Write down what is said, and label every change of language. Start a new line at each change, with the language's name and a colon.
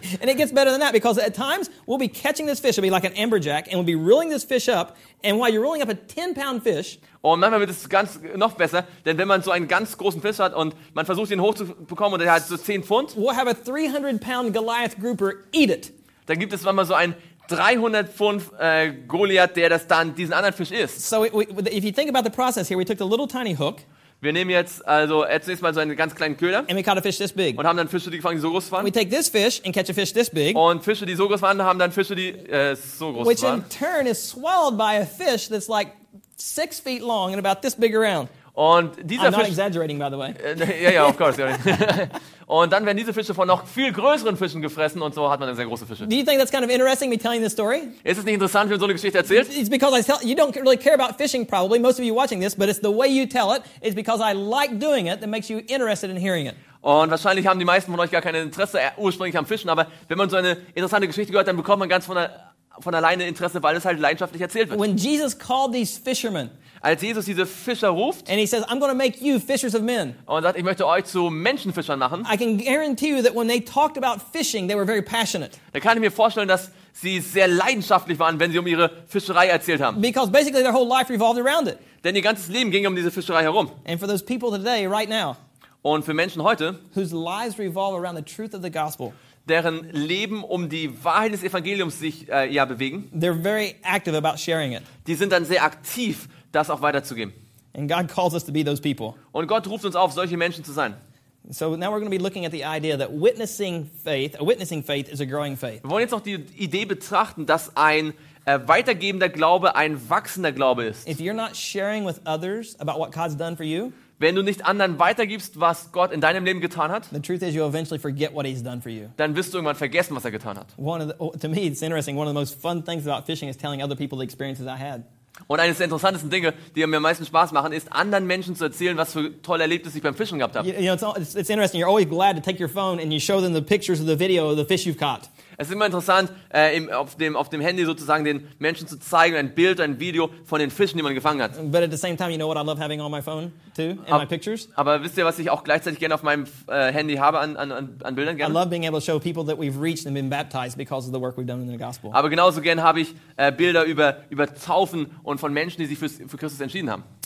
English: And it gets better than that because at times we'll be catching this fish, it'll be like an amberjack, and we'll be reeling this fish up, and while you're reeling up a 10-pound fish.
German: Und manchmal wird es ganz noch besser, denn wenn man so einen ganz großen Fisch hat und man versucht ihn hochzubekommen und er hat so 10 Pfund,
English: we'll have a 300-pound Goliath grouper eat it.
German: Dann gibt es manchmal so einen 300 Pfund Goliath, der das dann diesen anderen Fisch isst.
English: So if you think about the process here, we took the little tiny hook.
German: Wir nehmen jetzt also zunächst mal so einen ganz kleinen Köder.
English: And we caught a fish this big.
German: Und haben dann Fische, die gefangen, die so groß waren.
English: We take this fish and catch a fish this big.
German: Und Fische, die so groß waren, haben dann Fische, die so groß
English: which
German: waren.
English: Which in turn is swallowed by a fish that's like 6 feet long and about this big around.
German: Und dieser
English: I'm not
German: Fisch,
English: exaggerating, by the way. Yeah, of course.
German: Und dann werden diese Fische von noch viel größeren Fischen gefressen und so hat man dann sehr große Fische.
English: Do you think that's kind of interesting, me telling this story?
German: Ist es nicht interessant, wenn man so eine Geschichte erzählt?
English: It's because you don't really care about fishing, probably, most of you watching this, but it's the way you tell it, it's because I like doing it that makes you interested in hearing it.
German: Und wahrscheinlich haben die meisten von euch gar kein Interesse ursprünglich am Fischen, aber wenn man so eine interessante Geschichte gehört, dann bekommt man ganz von alleine Interesse, weil es halt leidenschaftlich erzählt wird.
English: When Jesus called these fishermen,
German: als Jesus diese Fischer ruft,
English: and he says, I'm going to make you fishers of men.
German: Und sagt, ich möchte euch zu Menschenfischern machen.
English: I can guarantee you that when they talked about fishing, they were very passionate.
German: Da kann ich mir vorstellen, dass sie sehr leidenschaftlich waren, wenn sie um ihre Fischerei erzählt haben.
English: Because basically their whole life revolved around it.
German: Denn ihr ganzes Leben ging um diese Fischerei herum.
English: And for those people today, right now,
German: und für Menschen heute,
English: whose lives revolve around the truth of the gospel,
German: deren Leben um die Wahrheit des Evangeliums sich bewegen.
English: They're very active about sharing it.
German: Die sind dann sehr aktiv, das auch weiterzugeben.
English: And God calls us to be those people.
German: Und Gott ruft uns auf, solche Menschen zu sein.
English: So now we're going to be looking at the idea that a witnessing faith is a growing faith.
German: Wir wollen jetzt noch die Idee betrachten, dass ein weitergebender Glaube ein wachsender Glaube ist.
English: If you're not sharing with others about what God's done for you,
German: wenn du nicht anderen weitergibst, was Gott in deinem Leben getan hat,
English: the truth is you'll eventually forget what he's done for you.
German: Dann wirst du irgendwann vergessen, was er getan hat.
English: To me, it's interesting. One of the most fun things about fishing is telling other people the experiences I had.
German: Und eines der interessantesten Dinge, die mir am meisten Spaß machen, ist, anderen Menschen zu erzählen, was für tolle Erlebnisse ich beim Fischen gehabt habe.
English: You know, it's interesting. You're always glad to take your phone and you show them the pictures of the video of the fish you've caught.
German: Es ist immer interessant, auf dem Handy sozusagen den Menschen zu zeigen, ein Bild, ein Video von den Fischen, die man gefangen hat.
English: But at the same time, you know what I love having on my phone too, in my pictures.
German: Aber wisst ihr, was ich auch gleichzeitig gerne auf meinem Handy habe an Bildern gerne?
English: I love being able to show people that we've reached and been baptized because of the work we've done in the gospel.
German: Aber genauso gern habe ich Bilder über Taufen und von Menschen, die sich für Christus entschieden haben.